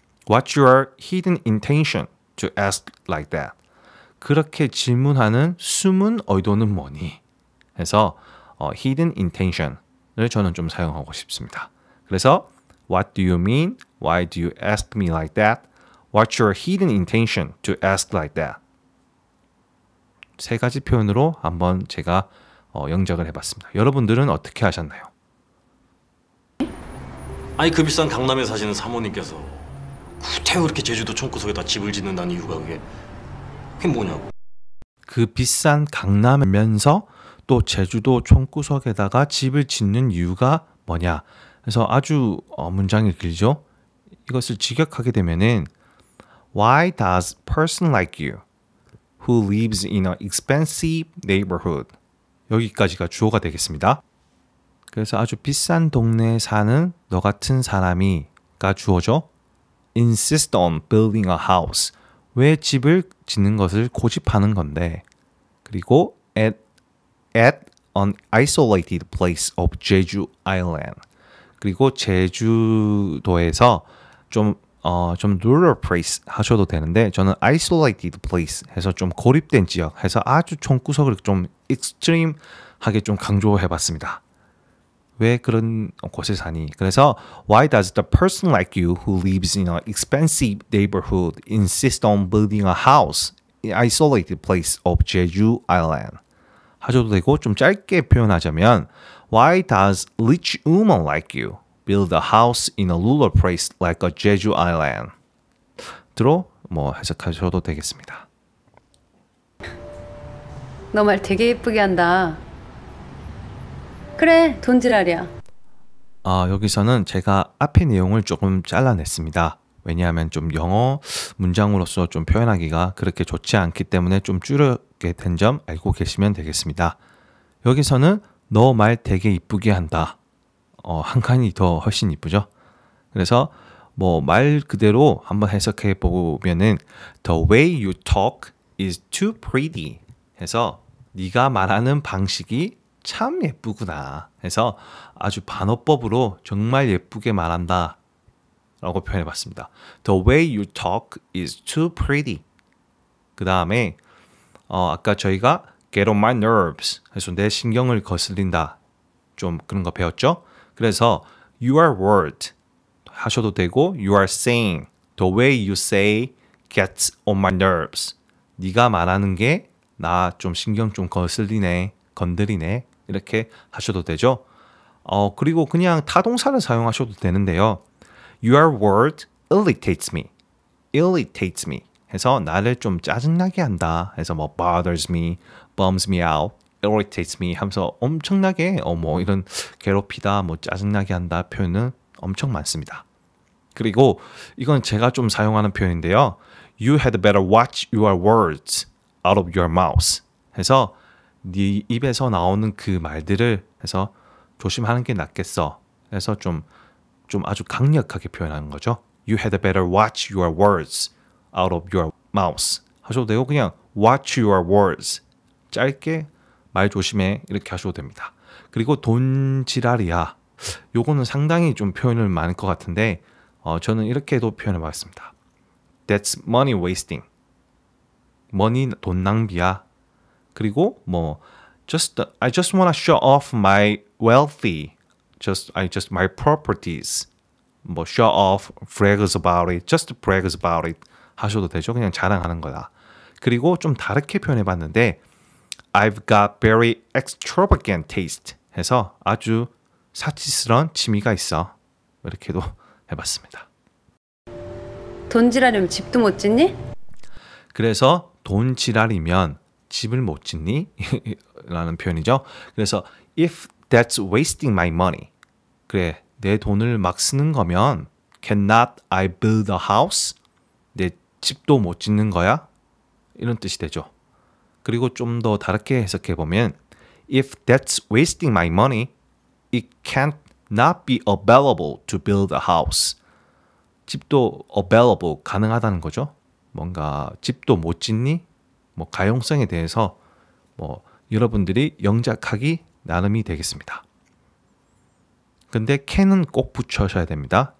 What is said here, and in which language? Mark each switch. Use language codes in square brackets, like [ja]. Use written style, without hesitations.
[en] What's your hidden intention to ask like that? [ko] 그렇게 질문하는 숨은 의도는 뭐니? 해서 [en] hidden intention [ko] 을 저는 좀 사용하고 싶습니다. [en] 그래서 What do you mean? Why do you ask me like that? What's your hidden intention to ask like that? [ko] 세 가지 표현으로 한번 제가 영작을 해봤습니다. 여러분들은 어떻게 하셨나요? 아니 그 비싼 강남에 사시는 사모님께서 구태 그렇게 제주도 총구석에다 집을 짓는다는 이유가 그게 뭐냐고. 그 비싼 강남이면서 또 제주도 총구석에다가 집을 짓는 이유가 뭐냐. 그래서 아주 문장이 길죠. 이것을 직역하게 되면은 [en] Why does person like you who lives in an expensive neighborhood? [ko] 여기까지가 주어가 되겠습니다. 그래서 아주 비싼 동네에 사는 너 같은 사람이가 주어죠. [en] Insist on building a house. [ko] 왜 집을 짓는 것을 고집하는 건데. [en] 그리고 at an isolated place of Jeju Island. [ko] 그리고 제주도에서 좀 [en] rural place [ko] 하셔도 되는데 저는 [en] isolated place [ko] 해서 좀 고립된 지역 해서 아주 총구석을 좀 extreme 하게 좀 강조해봤습니다. 왜 그런 곳에 사니? [en] 그래서 Why does the person like you who lives in an expensive neighborhood insist on building a house in isolated place of Jeju Island? [ko] 하셔도 되고 좀 짧게 표현하자면 [en] Why does rich woman like you build a house in a rural place like a Jeju Island? [ko] 들어 뭐 해석하셔도 되겠습니다. 너 말 되게 예쁘게 한다. 그래, 돈 지랄이야. 아, 여기서는 제가 앞에 내용을 조금 잘라냈습니다. 왜냐하면 좀 영어 문장으로서 좀 표현하기가 그렇게 좋지 않기 때문에 좀 줄이게 된 점 알고 계시면 되겠습니다. 여기서는 너 말 되게 이쁘게 한다. 한간이 더 훨씬 이쁘죠? 그래서 뭐 말 그대로 한번 해석해 보면은 [en] The way you talk is too pretty [ko] 해서 네가 말하는 방식이 참 예쁘구나 해서 아주 반어법으로 정말 예쁘게 말한다 라고 표현해 봤습니다. [en] The way you talk is too pretty. [ko] 그 다음에 아까 저희가 [en] Get on my nerves [ko] 해서 내 신경을 거슬린다 좀 그런 거 배웠죠? 그래서 [en] your word [ko] 하셔도 되고 [en] your saying the way you say gets on my nerves [ko] 네가 말하는 게 나 좀 신경 좀 거슬리네 건드리네 이렇게 하셔도 되죠. 그리고 그냥 타동사를 사용하셔도 되는데요. [en] your word irritates me irritates me [ko] 해서 나를 좀 짜증나게 한다 해서 뭐 [en] bothers me bums me out irritates me [ko] 하면서 엄청나게 뭐 이런 괴롭히다 뭐 짜증나게 한다 표현은 엄청 많습니다. 그리고 이건 제가 좀 사용하는 표현인데요. [en] You had better watch your words out of your mouth [ko] 해서 네 입에서 나오는 그 말들을 해서 조심하는 게 낫겠어 해서 좀 아주 강력하게 표현하는 거죠. [en] You had better watch your words out of your mouth [ko] 하셔도 되고 그냥 [en] watch your words [ko] 짧게 말 조심해 이렇게 하셔도 됩니다. 그리고 돈 지랄이야 요거는 상당히 좀 표현을 많을 것 같은데 저는 이렇게도 표현해 봤습니다. [en] That's money wasting. money [ko] 돈 낭비야. [en] 그리고 뭐 I just want to show off my wealthy just my properties 뭐 show off brags about it just brags about it 하셔도 되죠. [ko] 그냥 자랑하는 거다. 그리고 좀 다르게 표현해 봤는데 [en] I've got very extravagant taste [ko] 해서 아주 사치스러운 취미가 있어 이렇게도 해봤습니다. 돈 지랄이면 집도 못 짓니? 그래서 돈 지랄이면 집을 못 짓니? 라는 표현이죠. [en] 그래서 If that's wasting my money [ko] 그래 내 돈을 막 쓰는 거면 [en] Cannot I build a house? [ko] 내 집도 못 짓는 거야? 이런 뜻이 되죠. 그리고 좀 더 다르게 해석해보면 [en] If that's wasting my money, it can't not be available to build a house. [ko] 집도 available, 가능하다는 거죠. 뭔가 집도 못 짓니? 뭐 가용성에 대해서 뭐 여러분들이 영작하기 나름이 되겠습니다. 근데 can은 꼭 붙여셔야 됩니다.